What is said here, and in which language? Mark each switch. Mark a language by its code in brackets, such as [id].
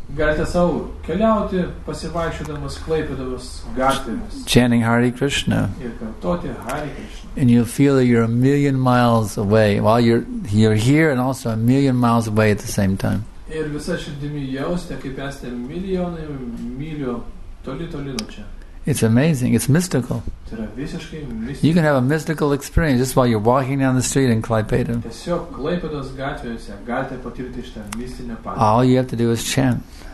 [lt] Galite savo keliauti pasivaikščiodamas Klaipėdos gatvėmis. [en] Chanting Hare Krishna. [lt] Ir kartoti Hare Krishna. [en] And you'll feel that you're a million miles away while you're here and also a million miles away at the same time. [lt] Ir visa širdimi jausite, kaip esate milijonai mylių toli toli nuo čia. [en] It's amazing. It's mystical. You can have a mystical experience just while you're walking down the street in Klaipėda. All you have to do is chant.